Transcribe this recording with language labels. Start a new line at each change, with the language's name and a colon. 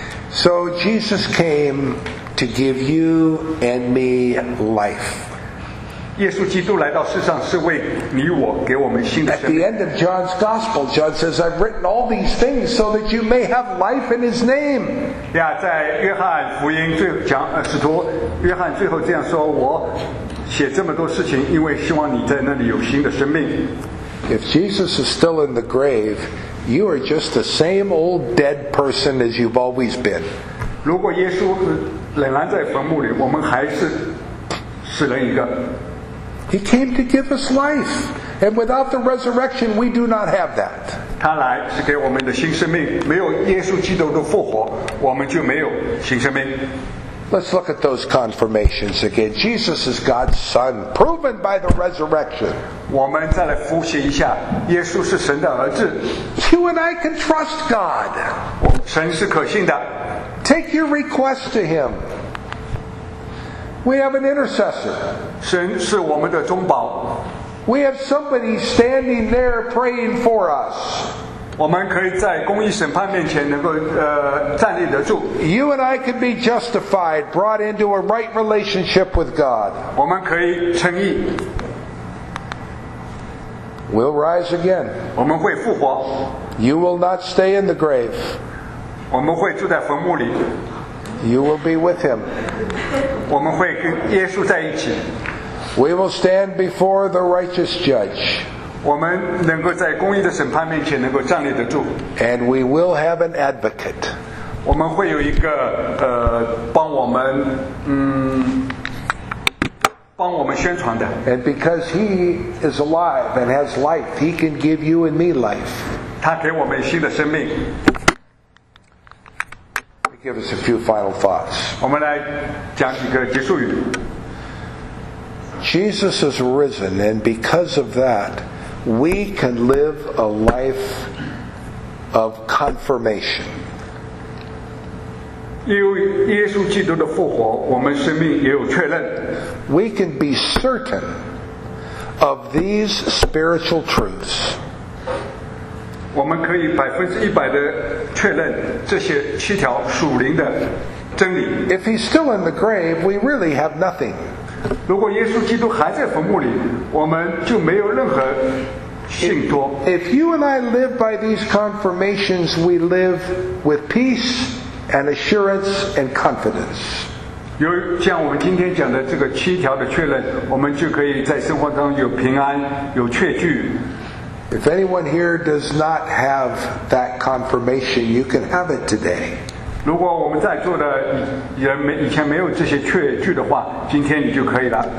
English: So Jesus came to give you and me life.
Chinese: 耶稣基督来到世上是为你我给我们新的生命。
English: At the end of John's Gospel, John says, I've written all these things so that you may have life in his name.
Chinese: Yeah, 在约翰福音最讲使徒约翰最后这样说，我写这么多事情，因为希望你在那里有新的生命。
English: If Jesus is still in the grave, you are just the same old dead person as you've always been.
Chinese: 如果耶稣仍然在坟墓里，我们还是死人一个。
English: He came to give us life. And without the resurrection, we do not have that.
Chinese: 他来是给我们的新生命。没有耶稣基督的复活，我们就没有新生命。
English: Let's look at those confirmations again. Jesus is God's Son, proven by the resurrection.
Chinese: 我们再来复习一下，耶稣是神的儿子。
English: You and I can trust God.
Chinese: 神是可信的。
English: Take your request to him. We have an intercessor.
Chinese: 神是我们的中保。
English: We have somebody standing there praying for us.
Chinese: 我们可以在公义审判面前能够站立得住。
English: You and I can be justified, brought into a right relationship with God.
Chinese: 我们可以称义。
English: We'll rise again.
Chinese: 我们会复活。
English: You will not stay in the grave.
Chinese: 我们会住在坟墓里。
English: You will be with him.
Chinese: 我们会跟耶稣在一起。
English: We will stand before the righteous judge.
Chinese: 我们能够在公义的审判面前能够站立得住。
English: And we will have an advocate.
Chinese: 我们会有一个帮我们帮我们宣传的。
English: And because he is alive and has life, he can give you and me life.
Chinese: 他给我们新的生命。
English: Give us a few final thoughts.
Chinese: 我们来讲几个结束语。
English: Jesus is risen, and because of that, we can live a life of confirmation.
Chinese: 因为耶稣基督的复活，我们生命也有确认。
English: We can be certain of these spiritual truths.
Chinese: 我们可以百分之一百的确认这些七条属灵的真理。
English: If he's still in the grave, we really have nothing.
Chinese: 如果耶稣基督还在坟墓里，我们就没有任何信托。
English: If you and I live by these confirmations, we live with peace and assurance and confidence.
Chinese: 有像我们今天讲的这个七条的确认，我们就可以在生活中有平安，有确据。
English: If anyone here does not have that confirmation, you can have it today.
Chinese: 如果我们在座的人以前没有这些确据的话，今天你就可以了。